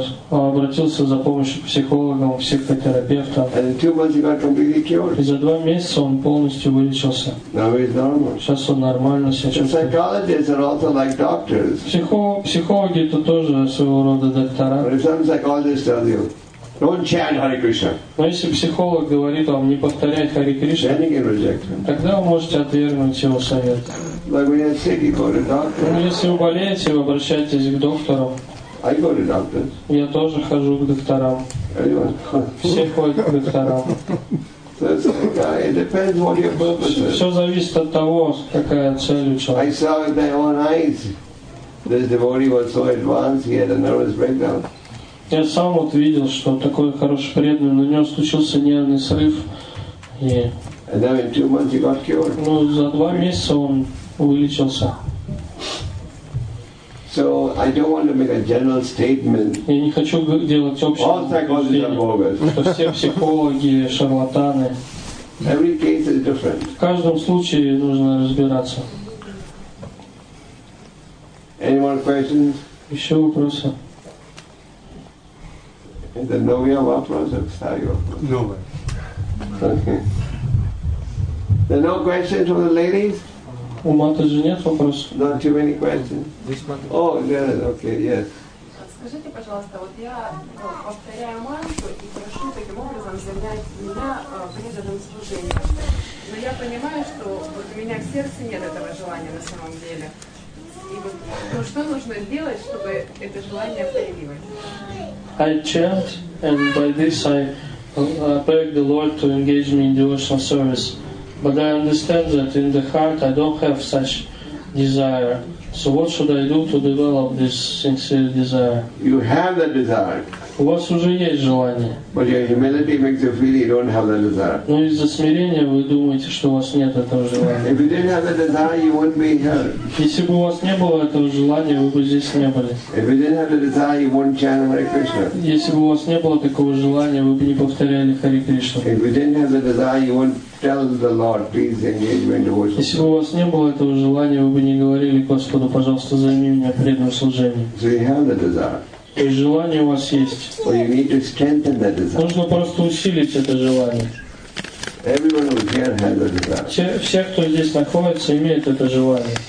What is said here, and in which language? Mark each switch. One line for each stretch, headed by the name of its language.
Russian: Обратился за помощью к психологам, психотерапевтам.
English: And in 2 months he got completely cured.
Russian: И за 2 месяца он полностью вылечился.
English: Now he's normal.
Russian: Сейчас он нормально себя чувствует.
English: The psychologists are also like doctors.
Russian: Психологи это тоже своего рода доктора.
English: But if some psychologists tell you, don't chant Hare Krishna.
Russian: Но если психолог говорит вам не повторять Hare Krishna,
English: then you can reject him.
Russian: Тогда вы можете отвергнуть его совет.
English: Like when you're sick, you go to doctor.
Russian: Но если вы болеете, вы обращаетесь к доктору.
English: I go to doctors.
Russian: Я тоже хожу к докторам. Все ходят к докторам.
English: It depends what your purpose is.
Russian: Все зависит от того, какая цель у человека.
English: I saw with my own eyes. This devotee was so advanced, he had a nervous breakdown.
Russian: Я сам вот видел, что такой хороший преданный, но у него случился нервный срыв. И...
English: And then in 2 months he got cured.
Russian: Ну, за 2 месяца он вылечился.
English: So I don't want to make a general statement.
Russian: Я не хочу делать общее, что все психологи шарлатаны.
English: Every case is different.
Russian: В каждом случае нужно разбираться.
English: Any more questions?
Russian: Еще вопросы? Это новый вопрос, старый вопрос. Новый.
English: There are no questions from the ladies?
Russian: У Матаджи нет вопросов?
English: Not too many questions. Oh, yes, okay, yes.
Russian: Скажите, пожалуйста, вот я повторяю мантру и прошу таким образом занять меня преданным служением. Но я понимаю, что вот у меня в сердце нет этого желания на самом деле. И вот, ну что нужно сделать, чтобы это желание появилось?
English: I chant, and by this I beg the Lord to engage me in devotional service. But I understand that in the heart I don't have such desire. So what should I do to develop this sincere desire? You have the desire.
Russian: У вас уже есть желание.
English: But your humility makes you feel you don't have the desire.
Russian: Но из-за смирения вы думаете, что у вас нет этого желания.
English: If you didn't have the desire, you wouldn't be here.
Russian: Если бы у вас не было этого желания, вы бы здесь не были.
English: If you didn't have the desire, you wouldn't chant Hare Krishna.
Russian: Если бы у вас не было такого желания, вы бы не повторяли Hare Krishna.
English: If you didn't have the desire, you wouldn't tell the Lord, please engage me in devotion.
Russian: Если бы у вас не было этого желания, вы бы не говорили Господу, пожалуйста, займи меня преданным служением.
English: So you have the desire.
Russian: То есть желание у вас есть.
English: Well, you need to strengthen that desire.
Russian: Нужно просто усилить это желание.
English: Everyone who's here has a desire.
Russian: Все, кто здесь находится, имеют это желание.